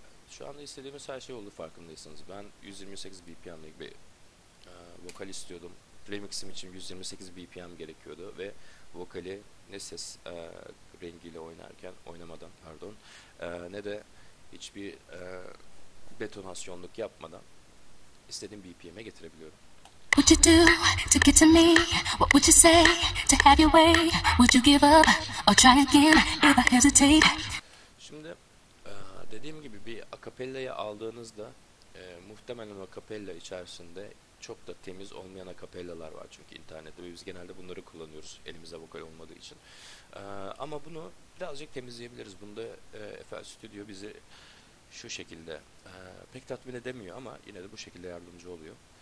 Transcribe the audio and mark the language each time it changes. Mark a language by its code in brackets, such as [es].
[tr] Şu anda istediğimiz her şey oldu farkındaysanız. Ben 128 BPM'lik bir vokal istiyordum. Remix'im için 128 BPM gerekiyordu ve vokali ne ses rengiyle oynamadan ne de hiçbir detonasyonluk yapmadan istediğim BPM'e getirebiliyorum. [en] What would you do to get to me? What would you say to have your way? Would you give up or try again if I hesitate? [tr] Şimdi dediğim gibi bir akapellayı aldığınızda muhtemelen akapella içerisinde çok da temiz olmayan akapellalar var çünkü internette ve biz genelde bunları kullanıyoruz elimizde vokal olmadığı için. Ama bunu birazcık temizleyebiliriz. Bunda FL Studio bizi şu şekilde pek tatmin edemiyor ama yine de bu şekilde yardımcı oluyor.